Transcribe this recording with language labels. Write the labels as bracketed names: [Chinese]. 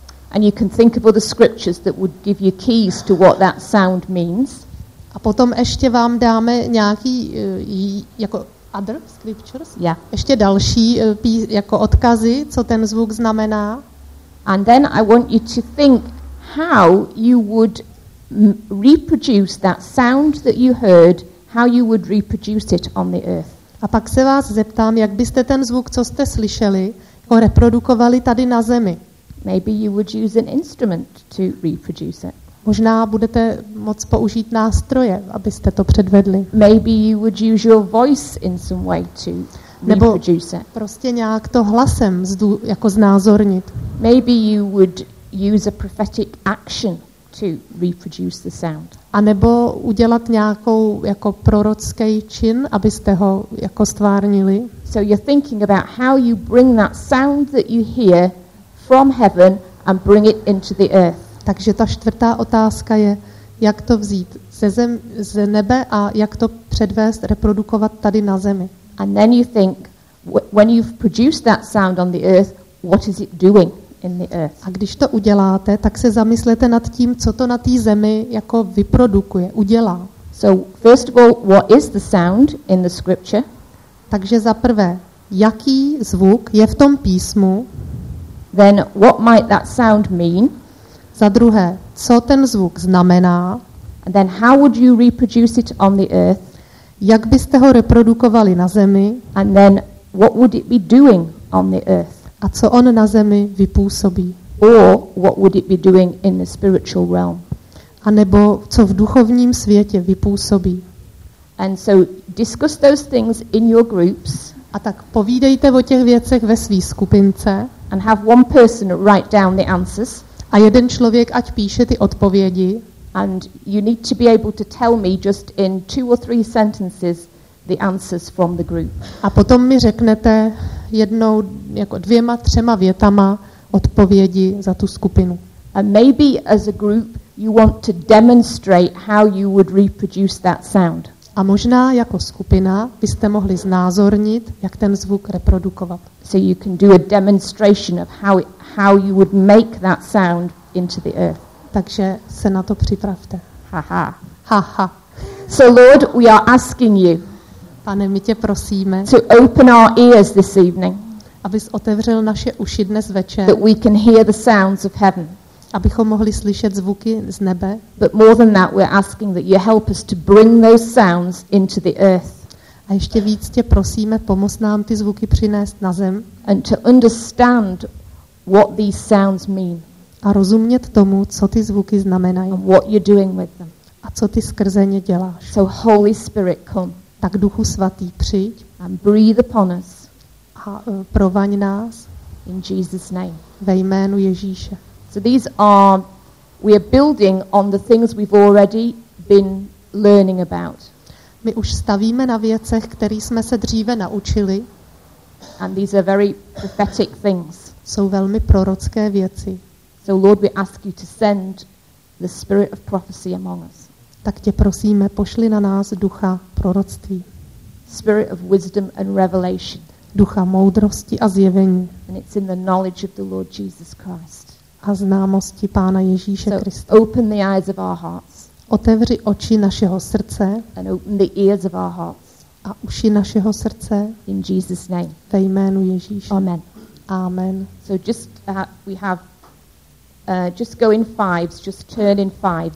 [English] And you can think of other scriptures that would give you keys to what that sound means. [Czech] A potom ještě vám dáme nějaký jako [English] other scriptures. Yeah. [Czech] Ještě další jako odkazy, co ten zvuk znamená. [English] And then I want you to think how you would reproduce that sound that you heard, how you would reproduce it on the earth. [Czech] A pak se vás zeptám, jak byste ten zvuk, co jste slyšeli, ho reprodukovali tady na zemi. [English] Maybe you would use an instrument to reproduce it. [Czech] Možná budete moc použít nástroje, abyste to předvedli. [English] Maybe you would use your voice in some way to reproduce it. [Czech] Nebo prostě nějak to hlasem jako znázornit. [English] Maybe you would use a prophetic action to reproduce the sound. [Czech] A nebo udělat nějakou jako prorocký čin, abyste ho jako stvárnili. [English] So you're thinking about how you bring that sound that you hear from heaven and bring it into the earth. [Czech] Takže ta čtvrtá otázka je, jak to vzít ze nebe a jak to předvést, reprodukovat tady na zemi. [English] And then you think, when you've produced that sound on the earth, what is it doing in the earth? [Czech] A když to uděláte, tak se zamyslete nad tím, co to na té zemi jako vyprodukuje, udělá. [English] So first of all, what is the sound in the scripture? [Czech] Takže za prvé, jaký zvuk je v tom písmu? [English] Then what might that sound mean? [Czech] Za druhé, co ten zvuk znamená? [English] And then how would you reproduce it on the earth? [Czech] Jak byste ho reprodukovali na zemi? [English] And then what would it be doing on the earth? [Czech] A co on na zemi vypůsobí? [English] Or what would it be doing in the spiritual realm? [Czech] A nebo co v duchovním světě vypůsobí? [English] And so discuss those things in your groups. [Czech] A tak povídejte o těch věcech ve své skupince. [English] And have one person write down the answers. [Czech] A jeden člověk ať píše ty odpovědi. [English] And you need to be able to tell me just in two or three sentences the answers from the group. [Czech] A potom mi řeknete jednou jako dvěma, třema větama odpovědi za tu skupinu. [English] And maybe as a group you want to demonstrate how you would reproduce that sound. [Czech] A možná jako skupina byste mohli znázornit, jak ten zvuk reprodukovat. [English] So you can do a demonstration of how you would make that sound into the earth. [Czech] Takže se na to připravte. Haha. Haha. [English] So Lord, we are asking you. [Czech] Pane, my tě prosíme. [English] To open our ears this evening. [Czech] Abys otevřel naše uši dnes večer. [English] That we can hear the sounds of heaven. [Czech] Abychom mohli slyšet zvuky z nebe. [English] But more than that, we're asking that you help us to bring those sounds into the earth. [Czech] A ještě víc tě prosíme, pomoz nám ty zvuky přinést na zem. [English] And to understand what these sounds mean. [Czech] A rozumět tomu, co ty zvuky znamenají. [English] And what you're doing with them. [Czech] A co ty skrze ně děláš. [English] So Holy Spirit, come. [Czech] Tak Duchu Svatý, přijď. [English] And breathe upon us. [Czech] A provaň nás. [English] In Jesus' name. [Czech] Ve jménu Ježíše. [English] So these are we are building on the things we've already been learning about. [Czech] My už stavíme na věcech, které jsme se dříve naučili. [English] And these are very prophetic things. [Czech] Jsou velmi prorocké věci. [English] So Lord, we ask you to send the spirit of prophecy among us. [Czech] Tak tě prosíme, pošli na nás ducha proroctví. [English] Spirit of wisdom and revelation. [Czech] Ducha moudrosti a zjevení. [English] And it's in the knowledge of the Lord Jesus Christ. [Czech] A známosti Pána Ježíše Krista. [English] So open the eyes of our hearts. [Czech] Otevři oči našeho srdce. [English] And open the ears of our hearts. [Czech] A uši našeho srdce. [English] In Jesus' name. [Czech] Ve jménu Ježíše. [English] Amen. Amen. So just we have just go in fives, just turn in fives.